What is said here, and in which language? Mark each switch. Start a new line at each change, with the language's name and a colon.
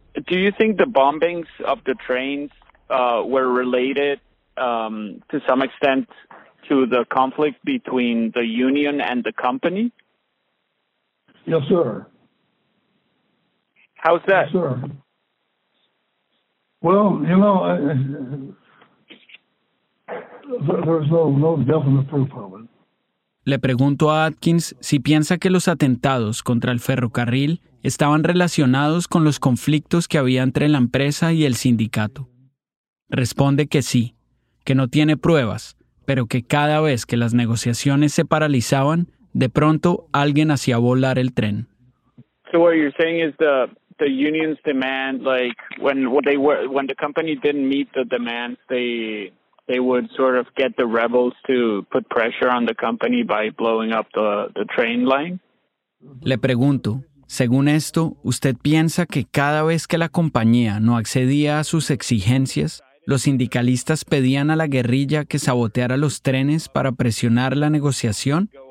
English: Do you think the bombings of the trains were related to some extent to the conflict between the union and the company? Yes, sir. How's that? Yes, sir. Well, you know, there's no definite proof of it.
Spanish: Le pregunto a Atkins si piensa que los atentados contra el ferrocarril estaban relacionados con los conflictos que había entre la empresa y el sindicato. Responde que sí, que no tiene pruebas, pero que cada vez que las negociaciones se paralizaban, de pronto alguien hacía volar el tren.
English: So what you're saying is the union's demand, like when the company didn't meet the demands, they would sort of get the rebels to put pressure on the company by blowing up the train line.
Spanish: Le pregunto. Según esto, ¿usted piensa que cada vez que la compañía no accedía a sus exigencias, los sindicalistas pedían a la guerrilla que saboteara los trenes para presionar la negociación?